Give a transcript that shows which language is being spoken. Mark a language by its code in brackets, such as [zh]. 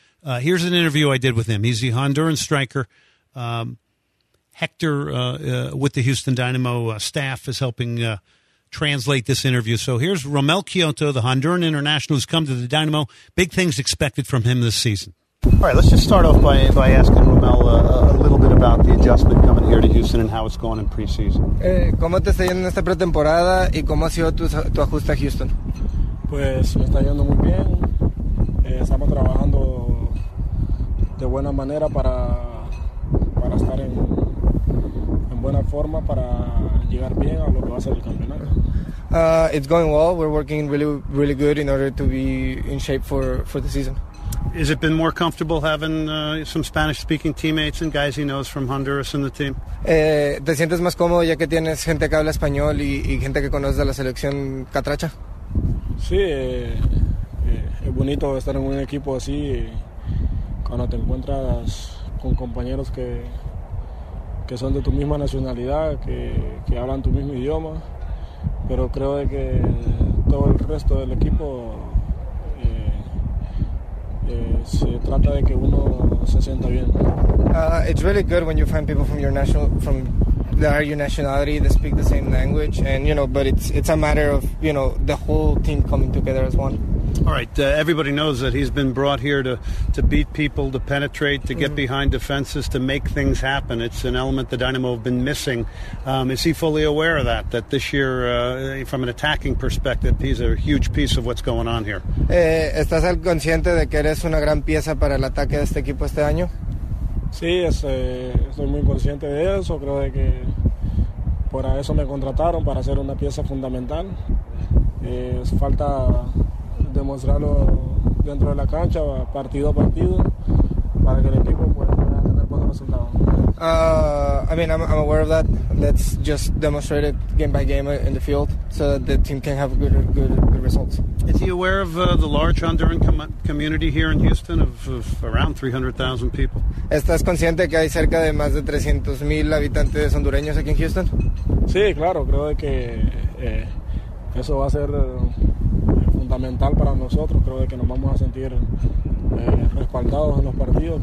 [en] Here's an interview I did with him. He's the Honduran striker. Hector with the Houston Dynamo staff is helping translate this interview. So here's Romel Kyoto, the Honduran international who's come to the Dynamo. Big things expected from him this season. All right, let's just start off by asking Romel a little bit about the adjustment coming here to Houston and how it's going in preseason. [es] ¿Cómo te está yendo en esta pretemporada y cómo ha sido tu ajuste a Houston? Pues me está yendo muy bien. Estamos trabajando de buena manera para estar en buena forma para llegar bien a lo que va a ser el campeonato. [en] It's going well. We're working really, really good in order to be in shape for the season. Has it been more comfortable having some Spanish-speaking teammates and guys he knows from Honduras in the team? [es] ¿Te sientes más cómodo ya que tienes gente que habla español y gente que conoce de la selección catracha? Sí, es bonito estar en un equipo así cuando te encuentras con compañeros que son de tu misma nacionalidad, que hablan tu mismo idioma, pero creo de que todo el resto del equipo... se trata de que uno se sienta bien. [en] It's really good when you find people from your nationality that speak the same language, and you know, but it's a matter of, you know, the whole team coming together as one. All right, everybody knows that he's been brought here to beat people, to penetrate, to get behind defenses, to make things happen. It's an element the Dynamo have been missing. Is he fully aware of that this year, from an attacking perspective, he's a huge piece of what's going on here? [es] ¿Estás consciente de que eres una gran pieza para el ataque de este equipo este año? Sí, estoy muy consciente de eso. Creo de que por eso me contrataron, para ser una pieza fundamental. Falta demostrarlo dentro de la cancha, partido a partido, para que el equipo pueda tener buenos resultados. [en] I'm aware of that. Let's just demonstrate it game by game in the field so that the team can have good results. Is he aware of the large Honduran community here in Houston of around 300,000 people? [es] ¿Estás consciente que hay cerca de más de 300,000 habitantes hondureños aquí en Houston? Sí, claro, creo de que eso va a ser fundamental para nosotros. Creo de que nos vamos a sentir respaldados en los partidos.